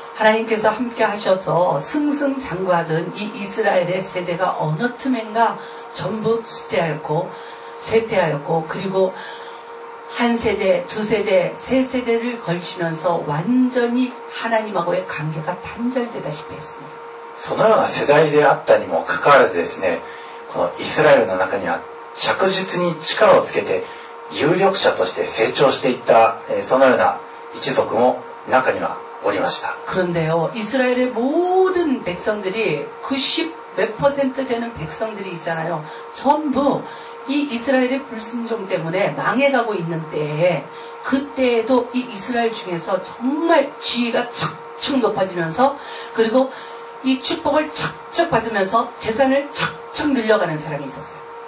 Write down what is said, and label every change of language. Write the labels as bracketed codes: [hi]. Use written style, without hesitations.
[ko] 하나님께서 함께 하셔서 승승장구하던 이 이스라엘의 세대가 어느 틈엔가 전부 쇠퇴하였고 그리고 한 세대, 두 세대, 세 세대를 걸치면서 완전히 하나님하고의 관계가 단절되다시피 했습니다. [ja] そのような世代であったにもかかわらずですね, このイスラエルの中には着実に力をつけて有力者として成長していったそのような一族も中にはおりました. [ko] 그런데요, 이스라엘의 모든 백성들이 90몇% 되는 백성들이 있잖아요. 전부 이 이스라엘의 불순종 때문에 망해가고 있는 때에 그때에도 이 이스라엘 중에서 정말 지위가 척척 높아지면서 그리고 이 축복을 척척 받으면서 재산을 척척 늘려가는 사람이 있었어요.